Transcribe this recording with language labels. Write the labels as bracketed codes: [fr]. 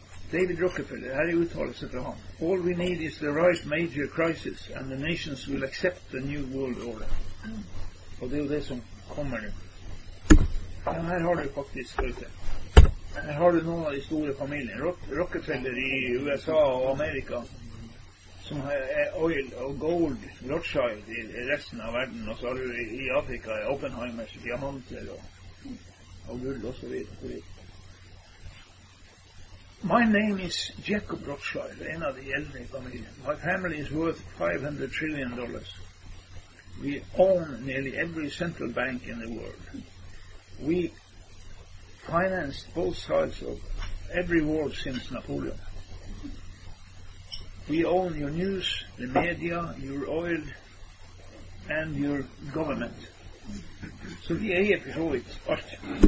[no] David Rockefeller, her er uttalelse fra han. [en] All we need is the right major crisis and the nations will accept the new world order. [no] Og det er jo det som kommer nu. Ja, her har du faktisk skjøyte. Her har du noen av de store familiene. Rockefeller i USA og Amerika, som er oil og gold, Rothschild i resten av verden, og så har du i Afrika Oppenheimers diamanter og gull og så videre. [en] My name is Jacob Rothschild, [no] en av de eldre i familien. [en] My family is worth $500 trillion. We own nearly every central bank in the world. We financed both sides of every war since Napoleon. We own your news, the media, your oil, and your government. [no] Så de er helt forhåpentligvis alt.